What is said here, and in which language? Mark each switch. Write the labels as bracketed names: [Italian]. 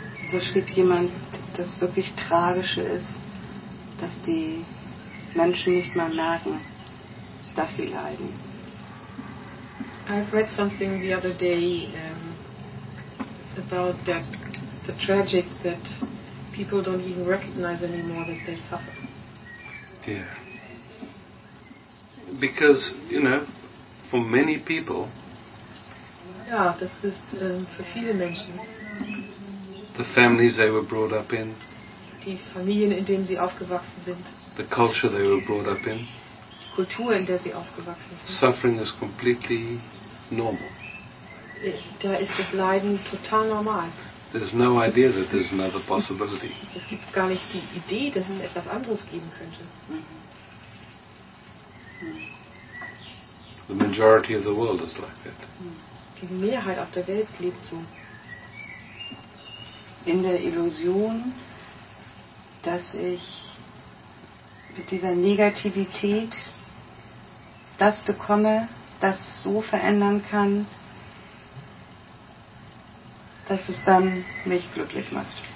[German] So schrieb jemand, das wirklich Tragische ist, dass die Menschen nicht mal merken, dass sie leiden. [English] I've read something the other day about that, the tragic that people don't even recognize anymore that they suffer. Yeah. Because, you know, for many people. [German] Ja, das ist für viele Menschen. [English] The families they were brought up in. [German] Die Familien, in denen sie aufgewachsen sind. [English] The culture they were brought up in. [German] Die Kultur, in der sie aufgewachsen sind. [English] Suffering is completely normal. [German] Da ist das Leiden total normal. [English] There's no idea that there's another possibility. [German] Es gibt gar nicht die Idee, dass es etwas anderes geben könnte. [English] The majority of the world is like that. [German] Die Mehrheit auf der Welt lebt so. In der Illusion, dass ich mit dieser Negativität das bekomme, das so verändern kann, dass es dann mich glücklich macht.